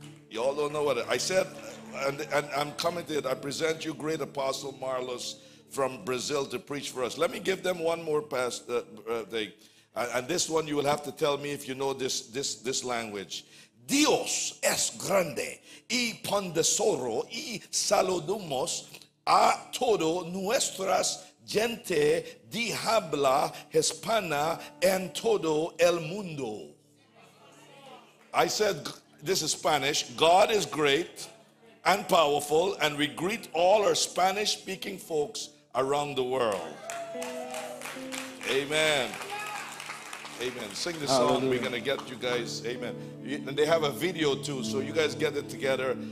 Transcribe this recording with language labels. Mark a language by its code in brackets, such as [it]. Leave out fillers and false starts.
[en] Y'all don't know what I said, and I'm coming to it. I present you great Apostle Marlos from Brazil to preach for us. Let me give them one more pass, and this one you will have to tell me if you know this language. [es] Dios es grande y pondesoro y saludamos a todo nuestras gente de habla hispana en todo el mundo. [en] I said, this is Spanish. God is great and powerful, and we greet all our Spanish-speaking folks around the world. Amen. Amen. Sing the song. Hallelujah. We're going to get you guys. Amen. And they have a video too, so you guys get it together.